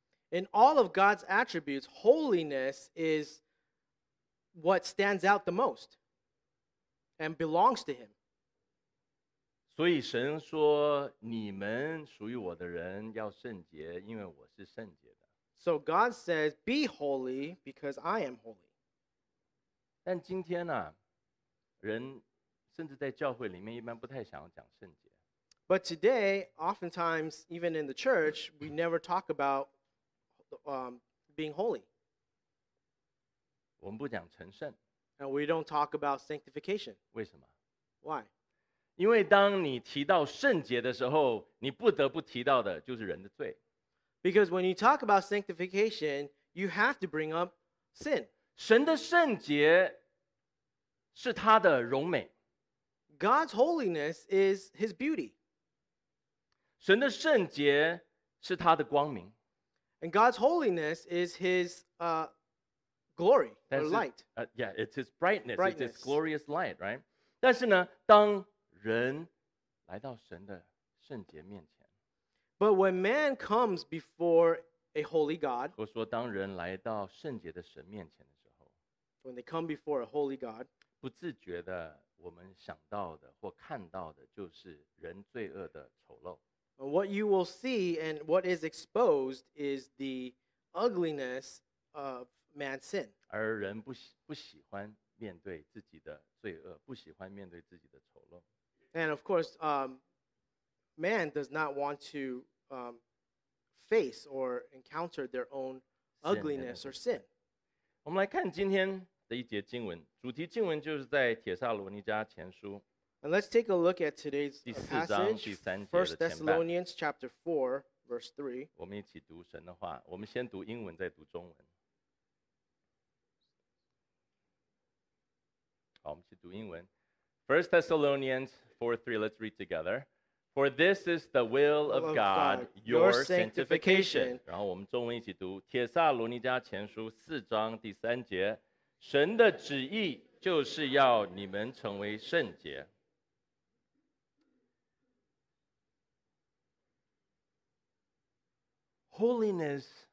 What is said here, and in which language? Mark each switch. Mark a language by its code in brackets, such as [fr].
[en] In all of God's attributes, holiness is what stands out the most and belongs to Him. [zh] 所以神说，你们属于我的人要圣洁，因为我是圣洁。 [en] So God says, be holy because I am holy. [zh] 但今天呢，人甚至在教会里面一般不太想要讲圣洁。 [en] But today, oftentimes, even in the church, we never talk about being holy. [zh] 我们不讲成圣。 [en] And we don't talk about sanctification. [zh] 为什么？ [en] Why? [zh] 因为当你提到圣洁的时候，你不得不提到的就是人的罪。 [en] Because when you talk about sanctification, you have to bring up sin. [zh] 神的圣洁是他的荣美。 [en] God's holiness is his beauty. [zh] 神的圣洁是他的光明。 [en] And God's holiness is his glory, or light. Yeah, it's his brightness. It's his glorious light, right? [zh] 但是呢，当人来到神的圣洁面前， [en] But when man comes before a holy God, [zh] 我说当人来到圣洁的神面前的时候， [en] when they come before a holy God, [zh] 不自觉的我们想到的或看到的就是人罪恶的丑陋。 [en] What you will see and what is exposed is the ugliness of man's sin. [zh] 而人不喜欢面对自己的罪恶，不喜欢面对自己的丑陋。 [en] And of course, Man does not want to face or encounter their own ugliness or sin. [zh] 我们来看今天的一节经文，主题经文就是在《帖撒罗尼迦前书》。 [en] And let's take a look at today's passage, 1 Thessalonians chapter 4, verse 3. [zh] 我们一起读神的话，我们先读英文，再读中文。好，我们一起读英文。 [en] 1 Thessalonians 4:3, let's read together. For this is the will of God, your sanctification. [zh] 然后我们中文一起读《帖撒罗尼迦前书》四章第三节，神的旨意就是要你们成为圣洁。 [en] Holiness.